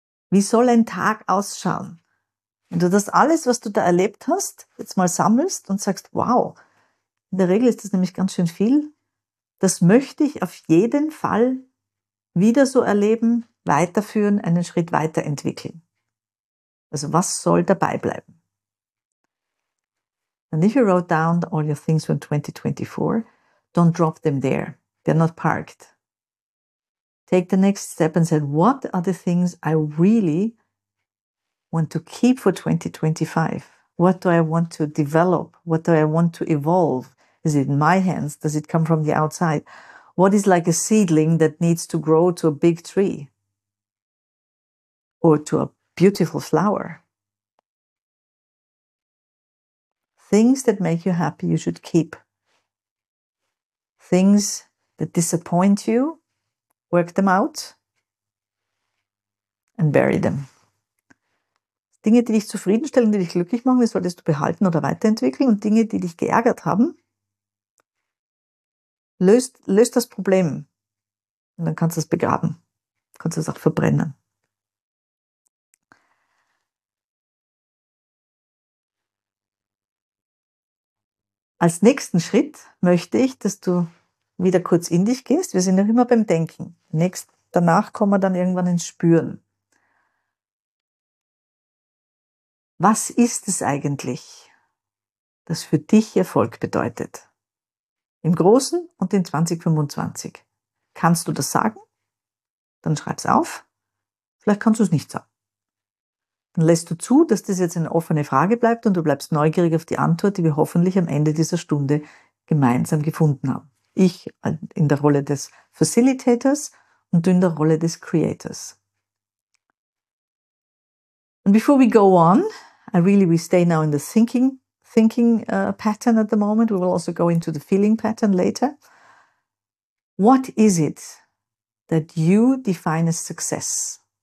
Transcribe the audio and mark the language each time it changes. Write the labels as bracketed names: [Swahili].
[German] Wie soll ein Tag ausschauen? Wenn du das alles, was du da erlebt hast, jetzt mal sammelst und sagst, wow, in der Regel ist das nämlich ganz schön viel, das möchte ich auf jeden Fall wieder so erleben, weiterführen, einen Schritt weiterentwickeln. Also was soll dabei bleiben? [English] And if you wrote down all your things from 2024, don't drop them there. They're not parked. Take the next step and say, what are the things I really want to keep for 2025? What do I want to develop? What do I want to evolve? Is it in my hands? Does it come from the outside? What is like a seedling that needs to grow to a big tree? Or to a beautiful flower? Things that make you happy, you should keep. Things that disappoint you, work them out and bury them. [German] Dinge, die dich zufriedenstellen, die dich glücklich machen, die solltest du behalten oder weiterentwickeln. Und Dinge, die dich geärgert haben, löst das Problem. Und dann kannst du es begraben. Kannst du es auch verbrennen. Als nächsten Schritt möchte ich, dass du wieder kurz in dich gehst. Wir sind noch immer beim Denken. Danach kommen wir dann irgendwann ins Spüren. Was ist es eigentlich, das für dich Erfolg bedeutet? Im Großen und in 2025. Kannst du das sagen? Dann schreib es auf. Vielleicht kannst du es nicht sagen. Dann lässt du zu, dass das jetzt eine offene Frage bleibt und du bleibst neugierig auf die Antwort, die wir hoffentlich am Ende dieser Stunde gemeinsam gefunden haben. Ich in der Rolle des Facilitators und du in der Rolle des Creators. [English] And before we go on, we stay now in the thinking pattern at the moment. We will also go into the feeling pattern later. What is it that you define as success?